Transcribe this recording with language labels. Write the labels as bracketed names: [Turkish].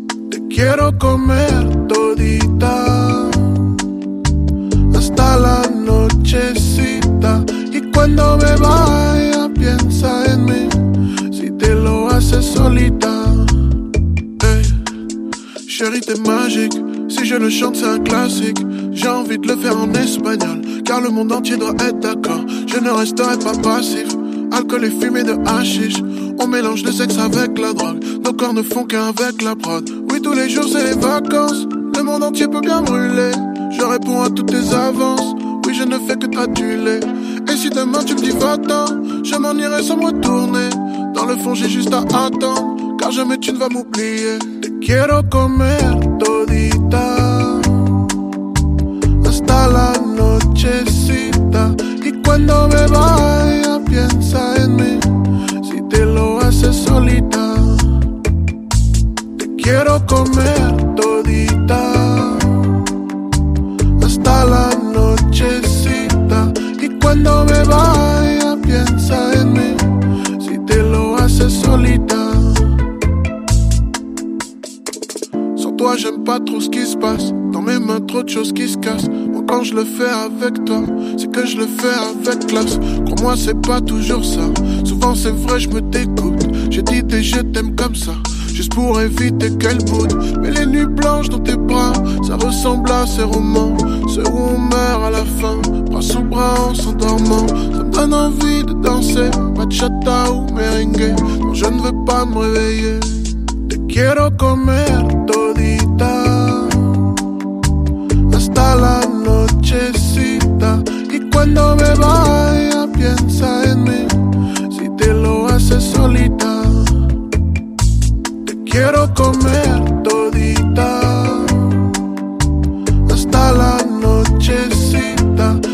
[Spanish] Te quiero comer todita hasta la nochecita. Y cuando me vaya, piensa en mí, si te lo haces solita. [French] Chérie, t'es magique. Si je le chante, c'est un classique. J'ai envie de le faire en espagnol, car le monde entier doit être d'accord. Je ne resterai pas passif. Alcool et fumée de hashish. On mélange le sexe avec la drogue. Nos corps ne font qu'avec la prod. Oui, tous les jours c'est les vacances. Le monde entier peut bien brûler. Je réponds à toutes tes avances. Oui, je ne fais que t'aduler. Et si demain tu me dis va-t'en, je m'en irai sans me retourner. Dans le fond, j'ai juste à attendre, car jamais tu ne vas m'oublier. [Spanish] Quiero comer todita hasta la nochecita. Y cuando me vaya, piensa en mí, si te lo haces solita. Te quiero comer todita hasta la nochecita. Y cuando me vaya, piensa en mí, si te lo haces solita. [French] Moi j'aime pas trop ce qui se passe. Dans mes mains trop de choses qui se cassent. Moi quand je le fais avec toi, c'est que je le fais avec classe. Crois-moi c'est pas toujours ça. Souvent c'est vrai je me dégoûte. J'ai dit des je t'aime comme ça, juste pour éviter qu'elle boude. Mais les nuits blanches dans tes bras, ça ressemble à ces romans. Ceux où on meurt à la fin, bras sous bras en s'endormant. Ça me donne envie de danser, bachata ou merengue. Non je ne veux pas me réveiller. [Spanish] Te quiero comer todita hasta la nochecita. Y cuando me vaya, piensa en mí, si te lo haces solita. Te quiero comer todita hasta la nochecita.